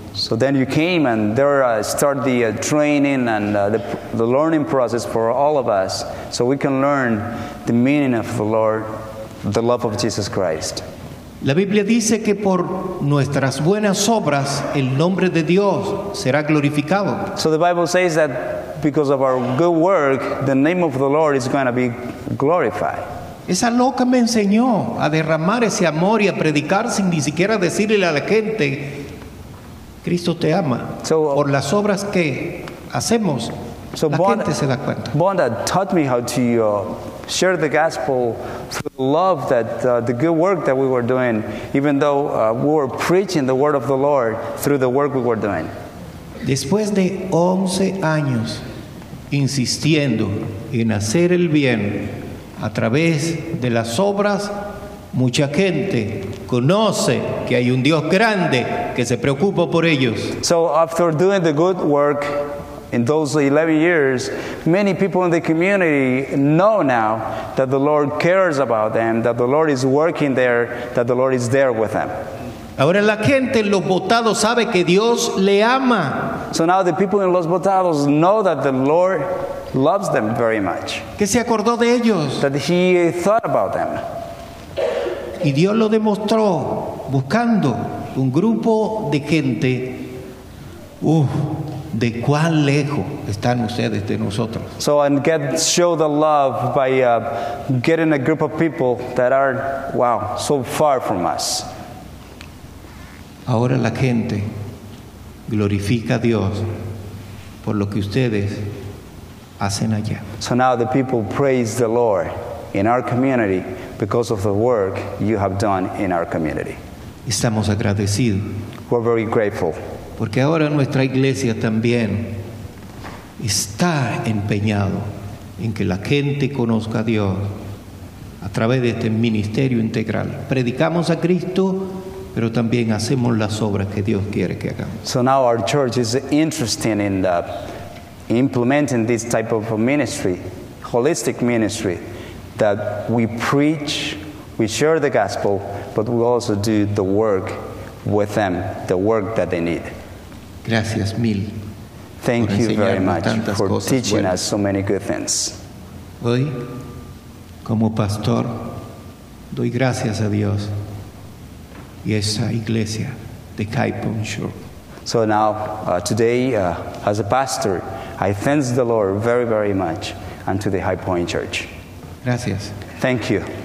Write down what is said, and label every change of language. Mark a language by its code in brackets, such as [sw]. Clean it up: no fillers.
[en] So then you came and there started the training and the learning process for all of us so we can learn the meaning of the Lord, the love of Jesus Christ. [es] La Biblia dice que por nuestras buenas obras el nombre de Dios será glorificado. [en] So the Bible says that because of our good work, the name of the Lord is going to be glorified. [es] Esa loca me enseñó a derramar ese amor y a predicar sin ni siquiera decirle a la gente Cristo te ama. So, por las obras que hacemos, so la gente se da cuenta. [en] Bonda taught me how to share the gospel through love, that the good work that we were doing, even though we were preaching the word of the Lord through the work we were doing. [es] Después de 11 años insistiendo en hacer el bien a través de las obras, mucha gente conoce que hay un Dios grande que se preocupa por ellos. [en] So after doing the good work in those 11 years, many people in the community know now that the Lord cares about them, that the Lord is working there, that the Lord is there with them. [es] Ahora la gente en Los Botados sabe que Dios le ama. [en] So now the people in Los Botados know that the Lord loves them very much. [es] Que se acordó de ellos. [en] That he thought about them. [es] Y Dios lo demostró buscando un grupo de gente. ¿De cuán lejos están ustedes de nosotros? [en] So and get show the love by getting a group of people that are so far from us. [es] Ahora la gente glorifica a Dios por lo que ustedes hacen allá. [en] So now the people praise the Lord in our community because of the work you have done in our community. [es] Estamos agradecidos. [en] We're very grateful. [es] Porque ahora nuestra iglesia también está empeñado en que la gente conozca a Dios a través de este ministerio integral. Predicamos a Cristo, pero también hacemos las obras que Dios quiere que hagamos. [en] So now our church is interested in implementing this type of ministry, holistic ministry, that we preach, we share the gospel, but we also do the work with them, the work that they need. [es] Gracias mil. [en] Thank you very much for teaching us so many good things. [es] Hoy, como pastor, doy gracias a Dios y esa iglesia de Caipon Shore. [en] So now, today, as a pastor, I thank the Lord very, very much and to the High Point Church. [es] Gracias. [en] Thank you.